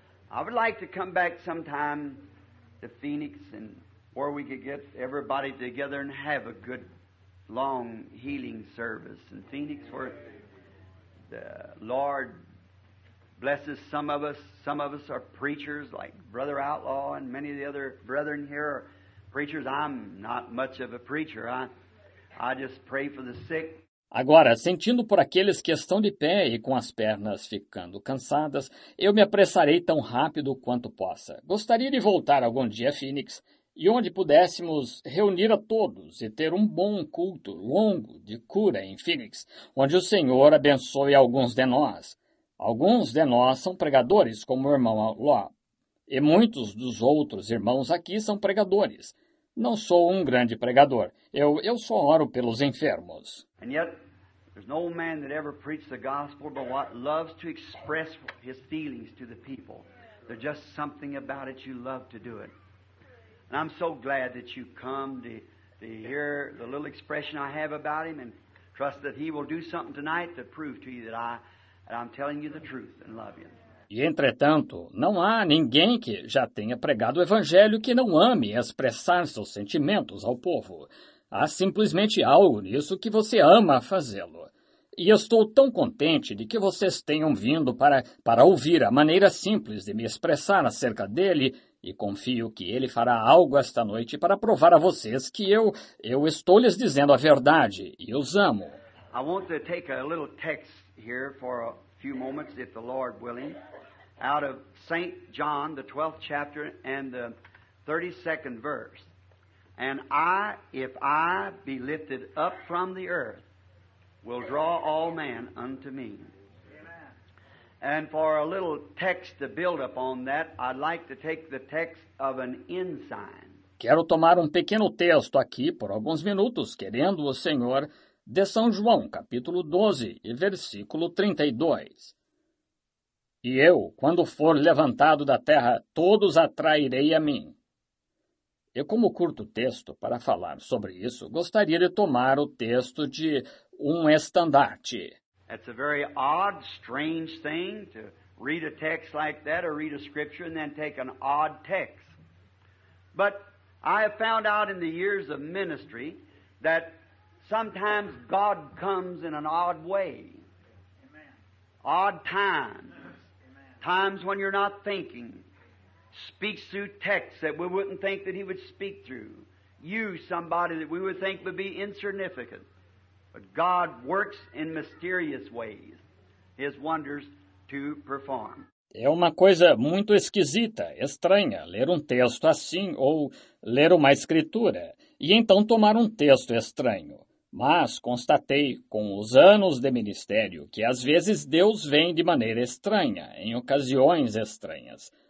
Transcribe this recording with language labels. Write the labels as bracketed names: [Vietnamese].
[English] I would like to come back sometime to Phoenix and where we could get everybody together and have a good long healing service in Phoenix, where the Lord blesses some of us. Some of us are preachers like Brother Outlaw and many of the other brethren here are preachers. I'm not much of a preacher. I just pray for the sick. [Portuguese] Agora, sentindo por aqueles que estão de pé e com as pernas ficando cansadas, eu me apressarei tão rápido quanto possa. Gostaria de voltar algum dia a Phoenix e onde pudéssemos reunir a todos e ter um bom culto longo de cura em Phoenix, onde o Senhor abençoe alguns de nós. Alguns de nós são pregadores, como o irmão Law. E muitos dos outros irmãos aqui são pregadores. Não sou um grande pregador. Eu só oro pelos enfermos. [English] And yet, there's no man that ever preached the gospel but what loves to express his feelings to the people. There's just something about it you love to do it. And I'm so glad that you come to hear the little expression I have about him and trust that he will do something tonight to prove to you that I'm telling you the truth and love you. [Portuguese] E, entretanto, não há ninguém que já tenha pregado o Evangelho que não ame expressar seus sentimentos ao povo. Há simplesmente algo nisso que você ama fazê-lo. E estou tão contente de que vocês tenham vindo para ouvir a maneira simples de me expressar acerca dele, e confio que ele fará algo esta noite para provar a vocês que eu estou lhes dizendo a verdade e os amo. [English] I want to take a little text here for few moments, if the Lord willing, out of St. John, the 12th chapter and the 32nd verse. And if I be lifted up from the earth, will draw all men unto me. And for a little text to build up on that, I'd like to take the text of an ensign. [Portuguese] Quero tomar pequeno texto aqui por alguns minutos, querendo o Senhor, de São João, capítulo 12, e versículo 32. E eu, quando for levantado da terra, todos atrairei a mim. E como curto texto para falar sobre isso, gostaria de tomar o texto de um estandarte. [English] It's a very odd, strange thing to read a text like that, or read a scripture, and then take an odd text. But I have found out in the years of ministry that sometimes God comes in an odd way. Amen. Odd times. Amen. Times when you're not thinking. Speaks through texts that we wouldn't think that he would speak through. You, somebody that we would think would be insignificant. But God works in mysterious ways. His wonders to perform. [Portuguese] É uma coisa muito esquisita, estranha, ler texto assim ou ler uma escritura. E então tomar texto estranho. Mas constatei, com os anos de ministério, que às vezes Deus vem de maneira estranha, em ocasiões estranhas.